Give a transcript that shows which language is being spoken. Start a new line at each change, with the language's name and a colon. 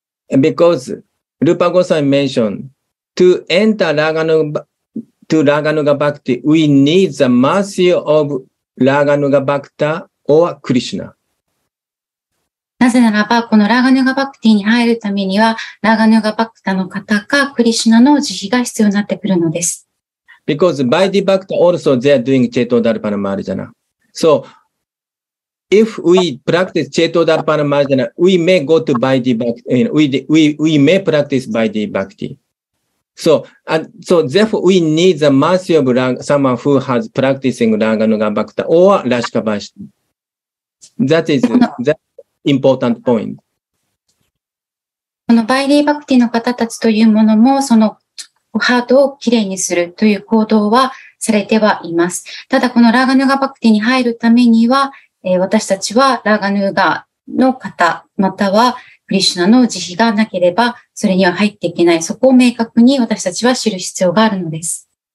English: Because, Rupa Gosai mentioned, to enter Raghunuga Bhakti, we need the mercy of Raghunuga Bhakta or Krishna.
Japanese: なぜならば、このラガヌガバクティに入るためには、ラガヌガバクタの方か、クリシナの慈悲が必要になってくるのです。
English: Because Vaidhi Bhakta also they are doing Cheto Dharpana Marjana. So, if we practice Cheto Dharpana Marjana, we may go to Vaidhi Bhakti, we may practice Vaidhi Bhakti. So, so therefore we need the mercy of someone who has practicing ラガヌガバクタ or ラシカバシ. That's important point.
Japanese: このバイディバクティの方たちというものも、そのハートをきれいにするという行動はされてはいます。ただ、このラーガヌーガバクティに入るためには、私たちはラーガヌーガの方、またはクリシュナの慈悲がなければ、それには入っていけない。そこを明確に私たちは知る必要があるのです。